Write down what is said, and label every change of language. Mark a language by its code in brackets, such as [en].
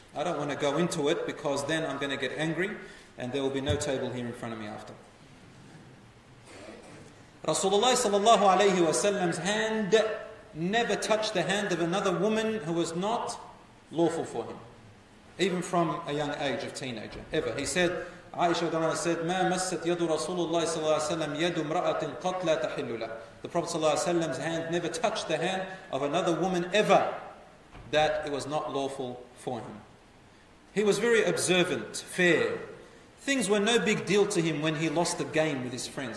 [en] I don't want to go into it because then I'm going to get angry and there will be no table here in front of me after. Rasulullah ﷺ's hand never touched the hand of another woman who was not lawful for him, even from a young age of teenager, ever. He said, Aisha said, [ar] مَا مَسَّتْ يَدُ رَسُولُ اللَّهِ صَلَّى اللَّهِ وَسَلَّمْ يَدُ مْرَأَةٍ قَطْ لَا تَحِلُّ لَهُ. [en] The Prophet [ar] صلى الله عليه وسلم's [en] hand never touched the hand of another woman ever that it was not lawful for him. He was very observant, fair. Things were no big deal to him when he lost a game with his friends.